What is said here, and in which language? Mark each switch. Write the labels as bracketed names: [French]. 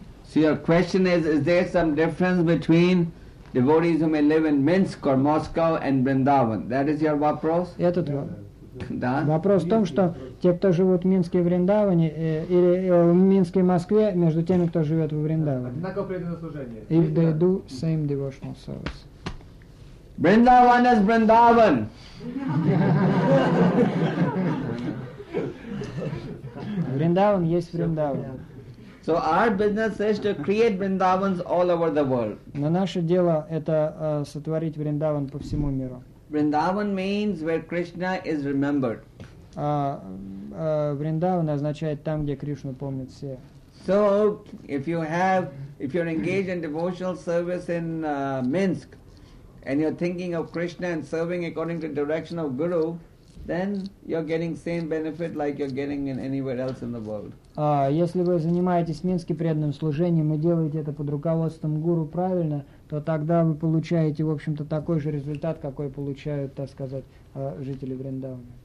[English] So your question is there some difference between devotees who may live in Minsk or Moscow and Vrindavan. That is your [Russian] вопрос? Этот да. Вопрос в том, что те, кто живут в Минске и Вриндаване, или в Минске и Москве, между теми, кто живет в Вриндаване. Однако преданное служение. [English] If they do same devotional service. Vrindavan is Vrindavan. [Russian] Vrindavan есть Vrindavan. [English] So our business is to create Vrindavans all over the world. [Russian] Но наше дело это сотворить Вриндаван по всему миру. [English] Vrindavan means where Krishna is remembered. [Russian] Vrindavan означает там, где Кришну помнят все. [English] So if you're engaged in devotional service in Minsk, and you're thinking of Krishna and serving according to direction of Guru, then you're getting same benefit like you're getting in anywhere else in the world. [Russian] Если вы занимаетесь в Минске преданным служением и делаете это под руководством гуру правильно, то тогда вы получаете, в общем-то, такой же результат, какой получают, так сказать, жители Вриндавана.